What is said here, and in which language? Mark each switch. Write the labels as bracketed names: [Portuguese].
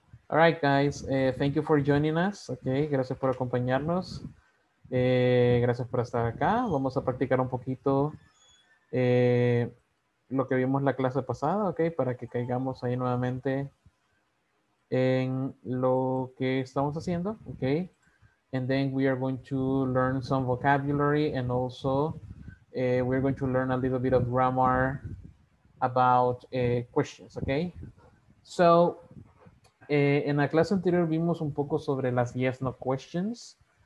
[English] All right, guys, thank you for joining us. [Spanish] Okay, gracias por acompañarnos. Gracias por estar acá. Vamos a practicar un poquito lo que vimos la clase pasada, ¿ok? Para que caigamos ahí nuevamente en lo que estamos haciendo, ¿ok? [English] And then we are going to learn some vocabulary and also we are going to learn a little bit of grammar about questions, ¿ok? [Spanish] So, en la clase anterior vimos un poco sobre las yes, no questions.